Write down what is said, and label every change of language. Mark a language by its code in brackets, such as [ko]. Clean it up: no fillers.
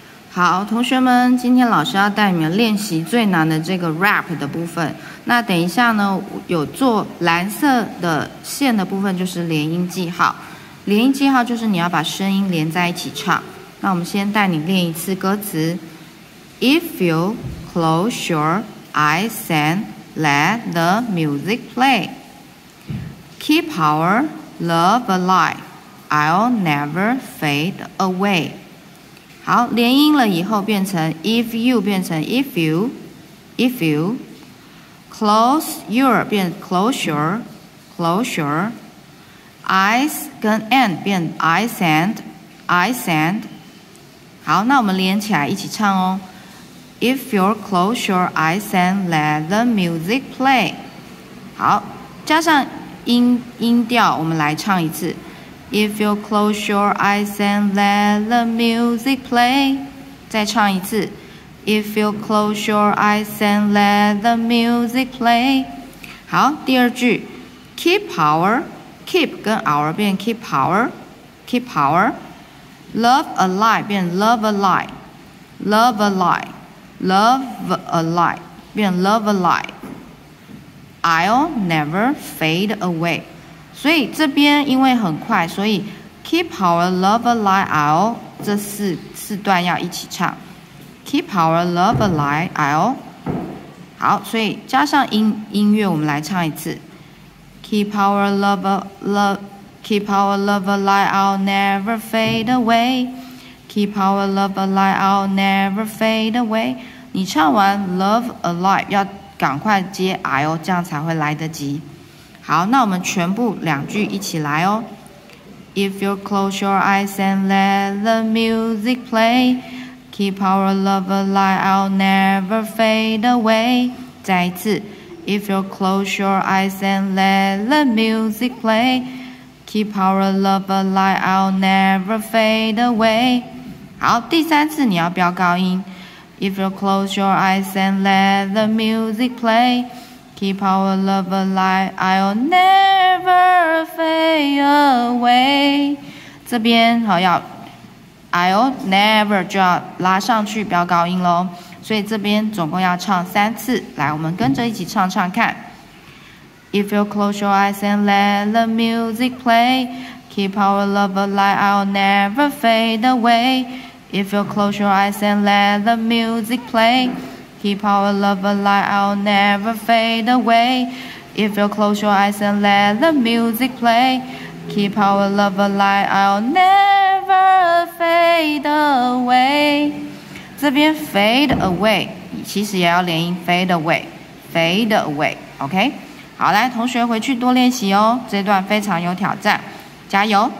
[zh] 好，同学们，今天老师要带你们练习最难的这个 rap 的部分。那等一下呢，有做蓝色的线的部分，就是连音记号。连音记号就是你要把声音连在一起唱。那我们先带你练一次歌词 [en] ：If you close your eyes and let the music play, keep our love alive, I'll never fade away。 [zh] 好，连音了以后变成 if you 变成 if you, if you close your 变 closure, closure eyes 跟 and 变 eyes and, eyes and。好，那我们连起来一起唱哦。 [en] If you close your eyes and let the music play。 [zh] 好，加上 音调我们来唱一次。 [en] If you close your eyes and let the music play， [zh] 再唱一次。 [en] If you close your eyes and let the music play， [zh] 好，第二句 [en] ，keep our，keep 跟 our 变 keep our，keep our，love alive 变 love alive，love alive，love alive 变 love alive，I'll never fade away。 [zh] 所以这边因为很快，所以 keep our love alive I'll 这 四段要一起唱。 [en] keep our love alive I'll， [zh] 好，所以加上 音乐我们来唱一次。 [en] keep our love alive keep our love alive I'll never fade away， keep our love alive I'll never fade away。 [zh] 你唱完 love alive 要赶快接 I'll， 这样才会来得及。好，那我们全部两句一起来哦。 [en] If you close your eyes and let the music play, keep our love alive, I'll never fade away。 [zh] 再一次 [en] ，If you close your eyes and let the music play, keep our love alive, I'll never fade away。 [zh] 好，第三次你要飙高音。 [en] If you close your eyes and let the music play。 Keep our love alive, I'll never fade away。 [zh] 这边好要 I'll never 就要拉上去飙高音咯，所以这边总共要唱三次。来，我们跟着一起唱唱看。 [en] If you close your eyes and let the music play, keep our love alive, I'll never fade away。 If you close your eyes and let the music playKeep our love alive, I'll never fade away. If you close your eyes and let the music play, keep our love alive, I'll never fade away. [zh] 这边 fade away 其实也要连音 [en] fade away, fade away, OK? [zh] 好，来，同学回去多练习哦，这段非常有挑战，加油。